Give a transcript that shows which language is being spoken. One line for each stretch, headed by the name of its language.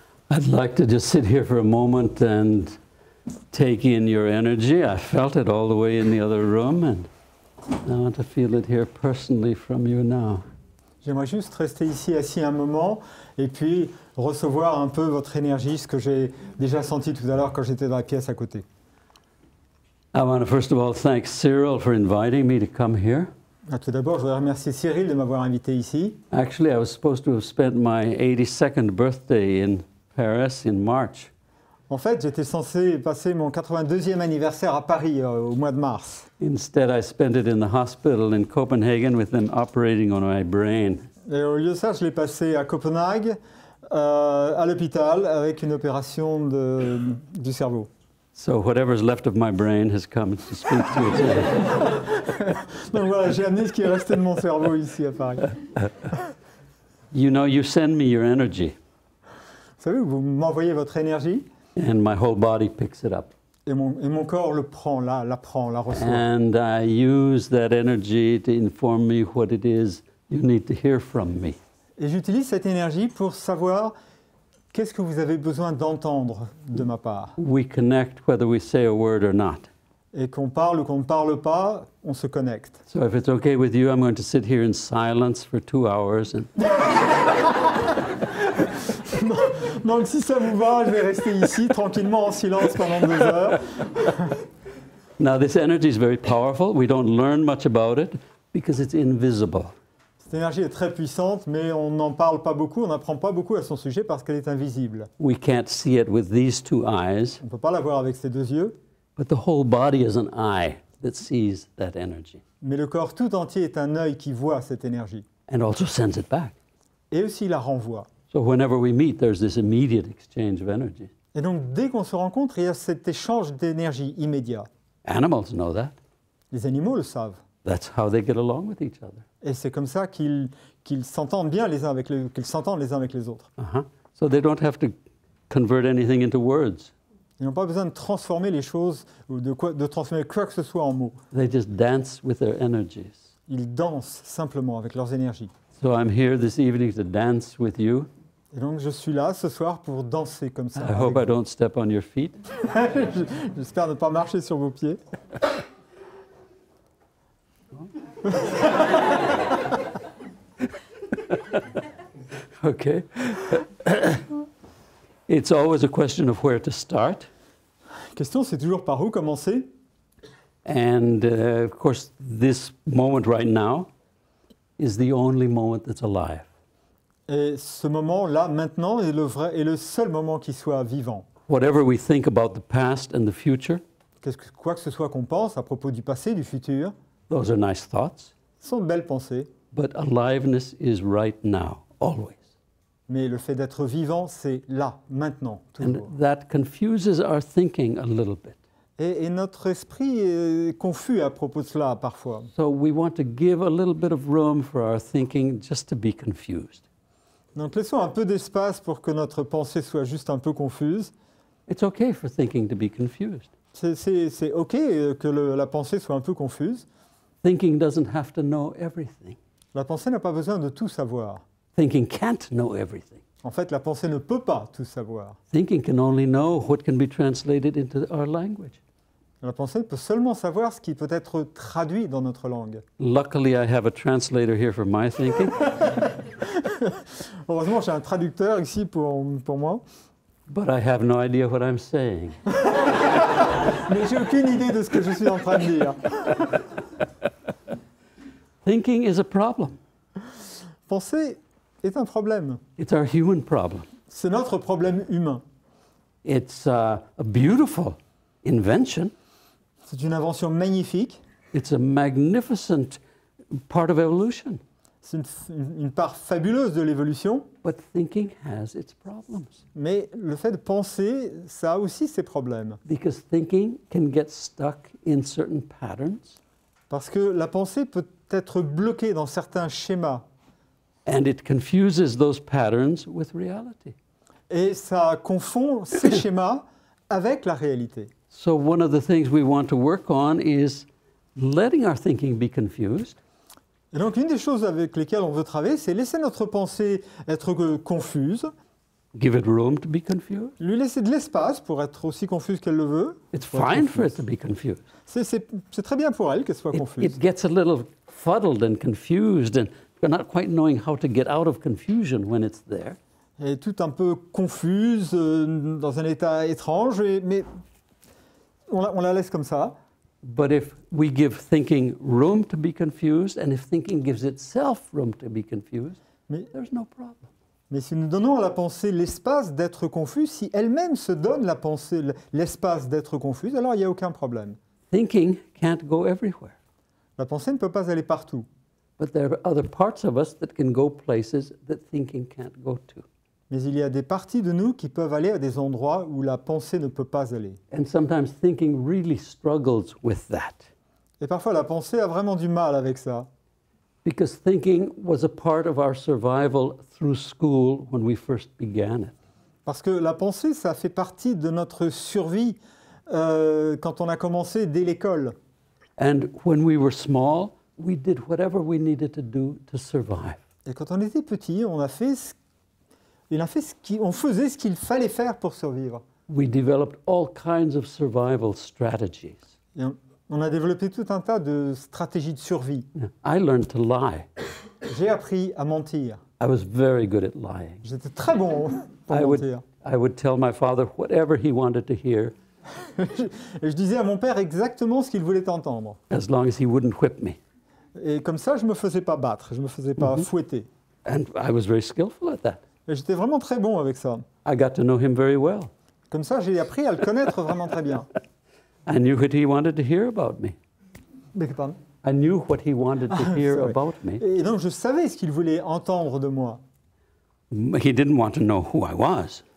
English: I'd like to just sit here for a moment and take in your energy. I felt it all the way in the other room, and I want to feel it here personally from you now.
French: J'aimerais juste rester ici assis un moment et puis recevoir un peu votre énergie, ce que j'ai déjà senti tout à l'heure quand j'étais dans la pièce à côté.
English: I want to first of all thank Cyril for inviting me to come here.
French: Tout d'abord, je voudrais remercier Cyril de m'avoir invité ici.
English: Actually, I was supposed to have spent my 82nd birthday in Paris in March.
French: En fait, j'étais censé passer mon 82e anniversaire à Paris au mois de mars.
English: Instead, I spent it in the hospital in Copenhagen with them operating on my brain.
French: Et au lieu de ça, je l'ai passé à Copenhague, à l'hôpital, avec une opération du cerveau.
English: So whatever's left of my brain has come to speak to you today.
French: Donc voilà, j'ai amené ce qui est resté de mon cerveau ici à Paris.
English: You know, you send me your energy.
French: Vous savez, vous m'envoyez votre énergie.
English: And my whole body picks it up.
French: Et mon corps le prend, l'apprend, la reçoit.
English: And I use that energy to inform me what it is you need to hear from me.
French: Et j'utilise cette énergie pour savoir qu'est-ce que vous avez besoin d'entendre de ma part.
English: We connect whether we say a word or not.
French: Et qu'on parle ou qu'on ne parle pas, on se connecte.
English: So if it's okay with you, I'm going to sit here in silence for 2 hours. And...
French: Donc si ça vous va, je vais rester ici tranquillement en silence pendant 2 heures.
English: Now this energy is very powerful. We don't learn much about it because it's invisible.
French: Cette énergie est très puissante, mais on n'en parle pas beaucoup, on n'apprend pas beaucoup à son sujet parce qu'elle est invisible.
English: We can't see it with these 2 eyes.
French: On ne peut pas la voir avec ces 2 yeux.
English: But the whole body is an eye that sees that energy.
French: Mais le corps tout entier est un œil qui voit cette énergie.
English: And also sends it back.
French: Et aussi la renvoie.
English: So whenever we meet, there's this immediate exchange of energy.
French: Et donc dès qu'on se rencontre, il y a cet échange d'énergie immédiat.
English: Animals know that.
French: Les animaux le savent.
English: That's how they get along with each other.
French: Et c'est comme ça qu'ils s'entendent bien les uns avec qu'ils s'entendent les uns avec les autres. Uh-huh.
English: So they don't have to convert anything into words.
French: Ils n'ont pas besoin de transformer les choses ou de transformer quoi que ce soit en mots.
English: They just dance with their energies.
French: Ils dansent simplement avec leurs énergies.
English: So I'm here this evening to dance with you.
French: Et donc je suis là ce soir pour danser comme ça.
English: I hope I don't step on your feet.
French: J'espère ne pas marcher sur vos pieds.
English: Okay. It's always a question of where to start.
French: Question, c'est toujours par où commencer.
English: And of course, this moment right now is the only moment that's alive.
French: Et ce moment-là, maintenant, est le vrai, est le seul moment qui soit vivant.
English: Whatever we think about the past and the future,
French: quoi que ce soit qu'on pense à propos du passé, du futur,
English: those are nice thoughts.
French: Ce sont de belles pensées.
English: But aliveness is right now, always.
French: Mais le fait d'être vivant, c'est là, maintenant, toujours.
English: And that confuses our thinking a little bit.
French: Et notre esprit est confus à propos de cela, parfois.
English: So we want to give a little bit of room for our thinking just to be confused.
French: Donc laissons un peu d'espace pour que notre pensée soit juste un peu confuse.
English: It's okay for thinking to be confused.
French: C'est ok que la pensée soit un peu confuse.
English: Thinking doesn't have to know everything.
French: La pensée n'a pas besoin de tout savoir.
English: Thinking can't know everything.
French: En fait, la pensée ne peut pas tout savoir.
English: Thinking can only know what can be translated into our language.
French: La pensée peut seulement savoir ce qui peut être traduit dans notre langue.
English: Luckily, I have a translator here for my thinking.
French: Heureusement, j'ai un traducteur ici pour moi.
English: But I have no idea what I'm saying.
French: Mais j'ai aucune idée de ce que je suis en train de dire.
English: Thinking is a problem.
French: Penser est un problème.
English: It's our human problem.
French: C'est notre problème humain.
English: It's a beautiful invention.
French: C'est une invention magnifique.
English: It's a magnificent part of evolution.
French: C'est une part fabuleuse de l'évolution.
English: But thinking has its problems.
French: Mais le fait de penser, ça a aussi ses problèmes.
English: Because thinking can get stuck in certain patterns.
French: Parce que la pensée peut être bloquée dans certains schémas.
English: And it confuses those patterns with reality.
French: Et ça confond ces schémas avec la réalité.
English: So one of the things we want to work on is letting our thinking be confused.
French: Et donc une des choses avec lesquelles on veut travailler, c'est laisser notre pensée être confuse.
English: Give it room to be confused.
French: Lui laisser de l'espace pour être aussi confuse qu'elle le veut.
English: It's fine for it to be confused.
French: C'est très bien pour elle qu'elle soit confuse.
English: It gets a little fuddled and confused, and you're not quite knowing how to get out of confusion when it's there.
French: Elle est tout un peu confuse, dans un état étrange, mais on la laisse comme ça.
English: But if we give thinking room to be confused, and if thinking gives itself room to be confused, there's no problem.
French: Mais si nous donnons à la pensée l'espace d'être confuse, si elle-même se donne la pensée, l'espace d'être confuse, alors il n'y a aucun problème.
English: Thinking can't go everywhere.
French: La pensée ne peut pas aller partout.
English: But there are other parts of us that can go places that thinking can't go to.
French: Mais il y a des parties de nous qui peuvent aller à des endroits où la pensée ne peut pas aller.
English: And sometimes thinking really struggles with that.
French: Et parfois la pensée a vraiment du mal avec ça.
English: Because thinking was a part of our survival through school when we first began it.
French: Parce que la pensée, ça fait partie de notre survie quand on a commencé dès l'école.
English: And when we were small, we did whatever we needed to do to survive.
French: Et quand on était petit, on faisait ce qu'il fallait faire pour survivre.
English: We developed all kinds of survival strategies.
French: On a développé tout un tas de stratégies de survie.
English: I learned to lie.
French: J'ai appris à mentir.
English: I was very good at lying.
French: J'étais très bon pour mentir.
English: I would tell my father whatever he wanted to hear.
French: Et je disais à mon père exactement ce qu'il voulait entendre.
English: As long as he wouldn't whip me.
French: Et comme ça, je me faisais pas battre, je me faisais pas fouetter.
English: And I was very skillful at that.
French: Et j'étais vraiment très bon avec ça.
English: I got to know him very well.
French: Comme ça, j'ai appris à le connaître vraiment très bien.
English: I knew what he wanted to hear about me.
French: Pardon?
English: I knew what he wanted to hear about me.
French: Et donc je savais ce qu'il voulait entendre de moi.
English: He didn't want to know who I was.